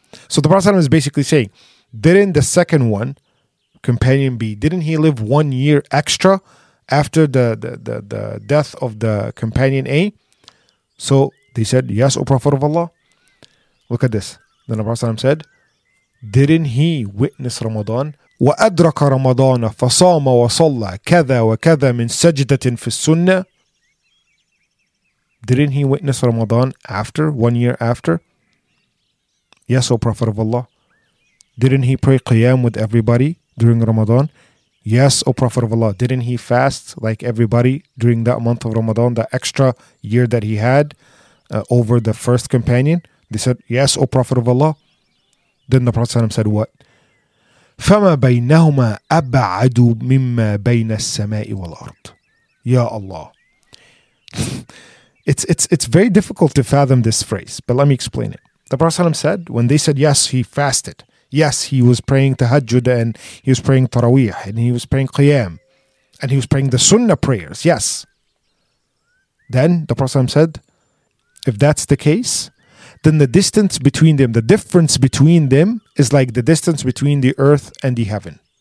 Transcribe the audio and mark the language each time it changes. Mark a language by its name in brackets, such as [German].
[English] So the Prophet is basically saying, didn't the second one, companion B, didn't he live 1 year extra after the death of the companion A? So they said, yes, O Prophet of Allah. Look at this. Then the Prophet said, didn't he witness Ramadan? [Arabic] وَأَدْرَكَ رَمَضَانَ فَصَامَ وَصَلَّى كَذَا وَكَذَا مِنْ سَجْدَةٍ فِي السُّنَّةِ [English] Didn't he witness Ramadan after, 1 year after? Yes, O Prophet of Allah. Didn't he pray Qiyam with everybody during Ramadan? Yes, O Prophet of Allah. Didn't he fast like everybody during that month of Ramadan, the extra year that he had over the first companion? They said, yes, O Prophet of Allah. Then the Prophet said what? [Arabic] فَمَا بَيْنَهُمَا أَبْعَدُ مِمَّا بَيْنَ السَّمَاءِ وَالْأَرْضِ Ya Allah. [English] It's very difficult to fathom this phrase, but let me explain it. The Prophet said, when they said yes, he fasted. Yes, he was praying tahajjud and he was praying taraweeh and he was praying qiyam and he was praying the sunnah prayers, yes. Then the Prophet said, if that's the case, then the distance between them, the difference between them is like the distance between the earth and the heaven.